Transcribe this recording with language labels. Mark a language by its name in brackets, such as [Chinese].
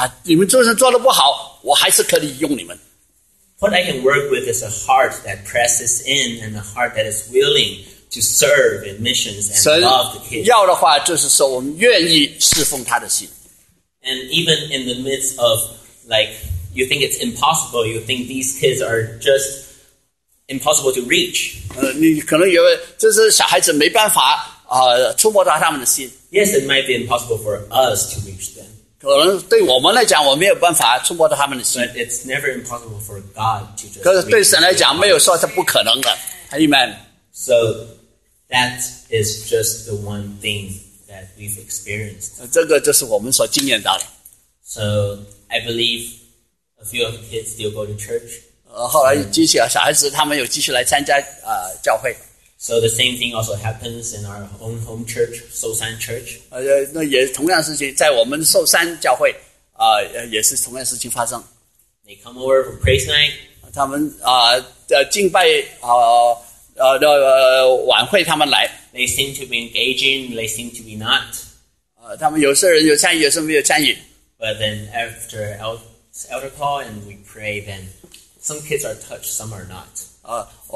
[Chinese] 可神好像告诉我们说，你们就算做得不好，我还是可以用你们. [English] What I can work with is a heart that presses in and a heart that is willing to serve in missions and love the kids. [Chinese] 要的话就是说我们愿意侍奉他的心。 [English] And even in the midst of, like, you think it's impossible, you think these kids are just impossible to reach. [Chinese] 你可能以为这是小孩子没办法触摸到他们的心。 [English] Yes, it might be impossible for us to reach them. [Chinese] 可能对我们来讲我没有办法触摸到他们的心。 [English] But it's never impossible for God to just reach [Chinese] 可是对神来讲没有说是不可能的。 [English] Amen. So, that is just the one thing that we've experienced. [Chinese] 这个就是我们所经验到的。 [English] So, I believe a few of the kids still go to church. [Chinese] 后来继续啊，小孩子他们有继续来参加教会。 [English] So, the same thing also happens in our own home church, Sosan Church. [Chinese] 那也同样事情在我们寿山教会，也是同样事情发生。 [English] They come over for praise night. [Chinese] 他们敬拜晚会他们来 [English] They seem to be engaging, they seem to be not [Chinese] 他们有些人有参与，有些人没有参与 [English] But then after elder call and we pray then some kids are touched, some are not